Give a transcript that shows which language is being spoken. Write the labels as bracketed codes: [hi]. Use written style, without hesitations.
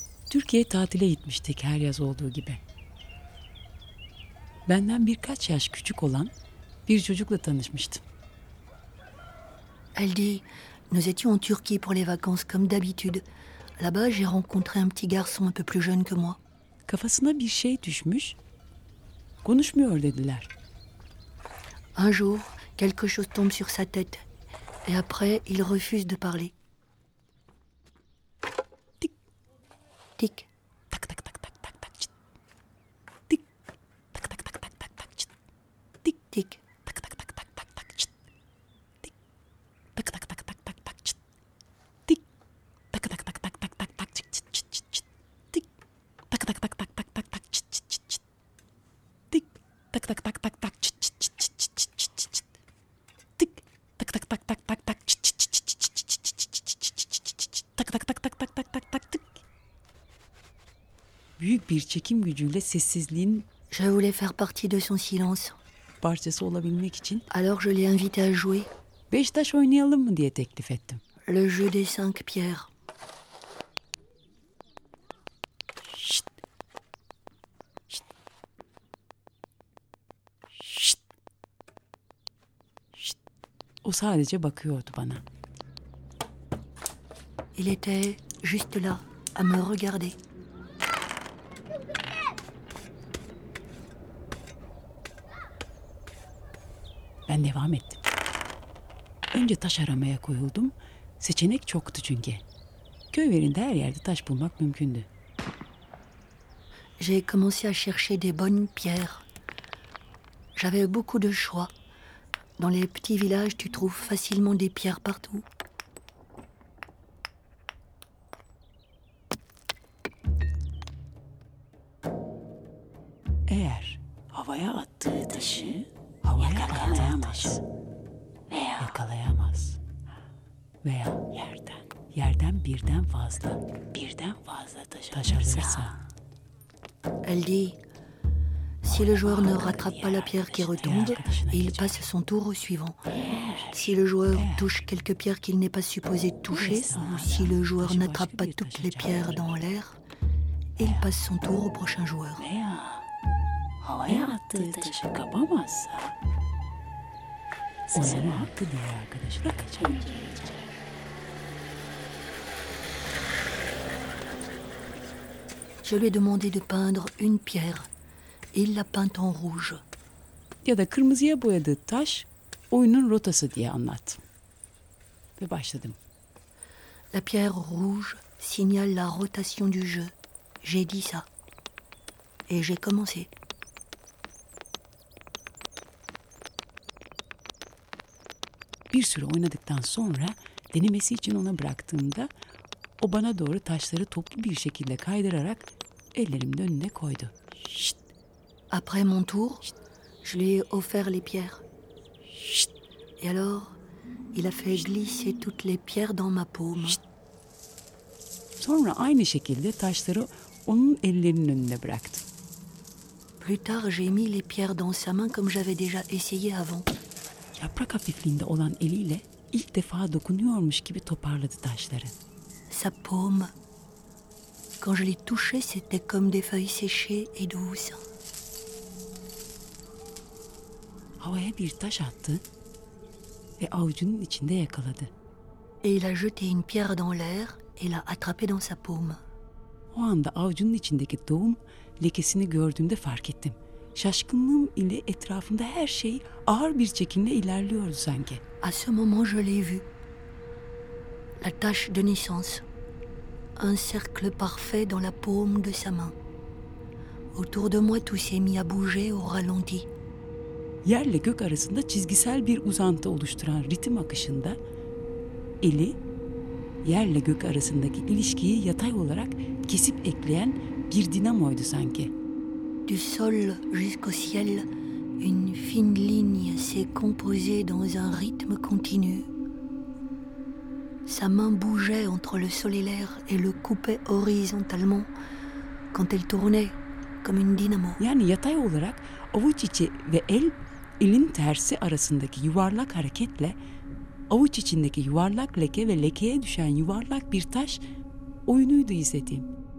[tr] Türkiye tatile gitmiştik her yaz olduğu gibi. Benden birkaç yaş küçük olan bir çocukla tanışmıştım. [fr] Elle dit, nous étions en Turquie pour les vacances comme d'habitude. Là-bas, j'ai rencontré un petit garçon un peu plus jeune que moi. [tr] Kafasına bir şey düşmüş. Konuşmuyor dediler. [fr] Un jour, quelque chose tombe sur sa tête et après, il refuse de parler. Tik. Tak tak tak tak tak tak. Tik. Tak tak tak tak tak tak. Tik tik. Tak tak tak tak tak tak. Tik. Tak tak tak tak tak tak. Tik. Tak tak tak tak tak tak tak. Tik. Tak tak tak tak tak tak. Tik. Tak tak tak tak tak. Tik. Tak tak tak tak tak. Tak tak tak tak tak tak tak tak tak tak. [tr] Büyük bir çekim gücüyle sessizliğin [fr] je voulais faire partie de son silence. [tr] Parçası olabilmek için [fr] alors je l'ai invité à jouer. [tr] Beş taş oynayalım mı diye teklif ettim. [fr] Le jeu des cinq pierres. Şşt. Şşt. Şşt. Şşt. [tr] O sadece bakıyordu bana. [fr] Il était juste là à me regarder. [tr] Ben devam ettim. Önce taş aramaya koyuldum. Seçenek çoktu çünkü. Köylerinde her yerde taş bulmak mümkündü. [fr] J'ai commencé à chercher des bonnes pierres. J'avais beaucoup de choix. Dans les petits villages, tu trouves facilement des pierres partout. [tr] Eğer havaya attığı taşı yakalayamaz. Veya. Yakalayamaz. Veya. Yerden. Yerden birden fazla. Birden fazla taş alırsa. [fr] Elle dit, si le joueur ne rattrape pas la pierre qui retombe, il passe son tour au suivant. Si le joueur touche quelques pierres qu'il n'est pas supposé toucher, ou si le joueur n'attrape pas toutes les pierres dans l'air, il passe son tour au prochain joueur. [tr] Havaya attığı taşı kapamazsa onun hakkı diğer arkadaşına kaçamayacak. [fr] Je lui ai demandé de peindre une pierre. Il l'a peinte en rouge. [tr] Ya da kırmızıya boyadığı taş oyunun rotası diye anlat. Ve başladım. [fr] La pierre rouge signale la rotation du jeu. J'ai dit ça. Et j'ai commencé. [tr] Bir süre oynadıktan sonra denemesi için ona bıraktığımda o bana doğru taşları toplu bir şekilde kaydırarak ellerimin önüne koydu. [fr] Şşt. Après mon tour, Şşt. Je lui ai offert les pierres. Şşt. Et alors, il a fait Şşt. Glisser toutes les pierres dans ma paume. Şşt. [tr] Sonra aynı şekilde taşları onun ellerinin önüne bıraktım. [fr] Plus tard, j'ai mis les pierres dans sa main comme j'avais déjà essayé avant. [tr] Yaprak hafifliğinde olan eliyle ilk defa dokunuyormuş gibi toparladı taşları. [fr] Sa paume. Quand je l'ai touché, c'était comme des feuilles séchées et douces. [tr] Havaya bir taş attı ve avucunun içinde yakaladı. [fr] Et il a jeté une pierre dans l'air et l'a attrapée dans sa paume. [tr] O anda avucunun içindeki doğum lekesini gördüğümde fark ettim. Şaşkınlığım ile etrafımda her şey ağır bir çekimle ilerliyordu sanki. [fr] À ce moment je l'ai vu. La tache de naissance. Un cercle parfait dans la paume de sa main. Autour de moi tout s'est mis à bouger au ralenti. [tr] yerle gök arasında çizgisel bir uzantı oluşturan ritim akışında eli yerle gök arasındaki ilişkiyi yatay olarak kesip ekleyen bir dinamoydu sanki. [fr] Du sol jusqu'au ciel, une fine ligne s'est composée dans un rythme continu. Sa main bougeait entre le sol et l'air et le coupait horizontalement quand elle tournait comme une dynamo. [tr] Yani yatay olarak avuç içi ve elin tersi arasındaki yuvarlak hareketle avuç içindeki yuvarlak leke ve lekeye düşen yuvarlak bir taş oyunuydu izlediğim.